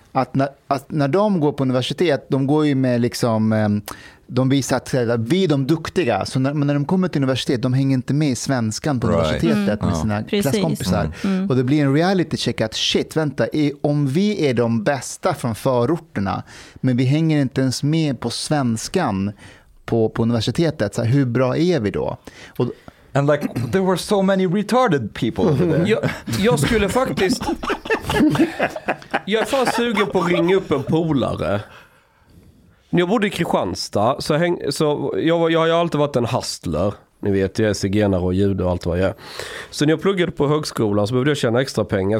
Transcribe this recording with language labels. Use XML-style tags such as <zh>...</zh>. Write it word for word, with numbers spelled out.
<sv>Att, när, att när de går på universitet, de går ju med liksom, de visar att vi är de duktiga, så när, men när de kommer till universitet, de hänger inte med i svenskan på right. universitetet mm. med sina mm. klasskompisar. Mm. Mm. Och det blir en reality check att shit, vänta, om vi är de bästa från förorterna, men vi hänger inte ens med på svenskan på, på universitetet, så här, hur bra är vi då? Och</sv> <en>and like there were so many retarded people over there.</en> <sv>Jag, jag skulle faktiskt jag är fan sugen på att ringa upp en polare. När jag bodde i Kristianstad så, häng, så jag, jag har ju alltid varit en hustler. Ni vet, jag är zigenare och jude och allt vad jag är. Så när jag pluggade på högskolan så behövde jag tjäna extra pengar.</sv>